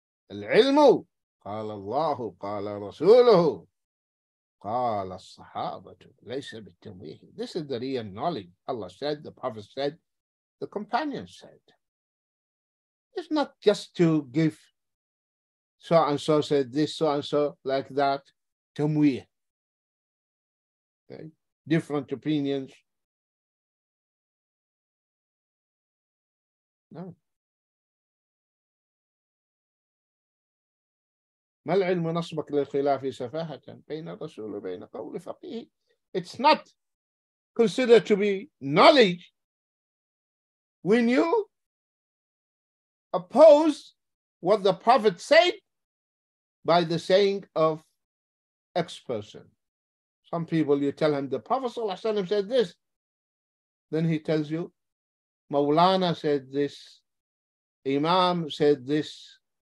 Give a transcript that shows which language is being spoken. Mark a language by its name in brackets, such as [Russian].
[Arabic] الْعِلْمُ قال الله قال رسوله قال الصحابة ليس بالتمويه. [English] This is the real knowledge. Allah said, the Prophet said, the companions said. It's not just to give so and so said this, so and so like that, tamweeh. Okay? Different opinions. No. [Arabic] ما العلم نصبك للخلاف سفاهة بين الرسول وبين قول فقيه. [English] It's not considered to be knowledge when you oppose what the Prophet said by the saying of X person. Some people, you tell him the Prophet sallallahu alaihi wasallam said this, then he tells you Mawlana said this, Imam said this.